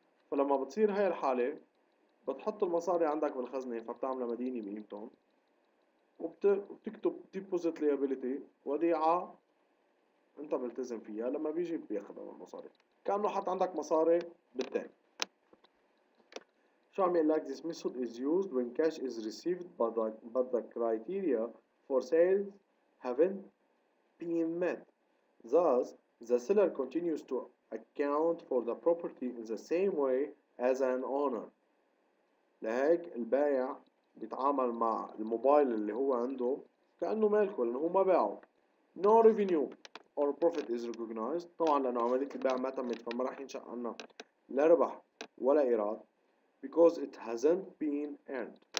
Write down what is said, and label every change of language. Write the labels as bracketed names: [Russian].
[Arabic] فلما بتصير هاي الحالة بتحط المصاري عندك بالخزنة، فبتعمل مدينة بقيمتهم وبتكتب deposit liability، وديعة انت ملتزم فيها لما بيجي بياخد المصاري، كأنه حط عندك مصاري بالتالي. شو عم يقول لك؟ [English] This method is used when cash is received but the criteria for sales haven't been met. Thus, the seller continues to account for the property in the same way as an owner. [Arabic] لهيك البايع بيتعامل مع الموبايل اللي هو عنده كأنه مالكه لأنه هو ما باعه. [English] No revenue or profit is recognized. [Arabic] طبعا لأنه عملية البيع ما تمت فما راح ينشأ عنا لا ربح ولا إيراد. [English] Because it hasn't been earned.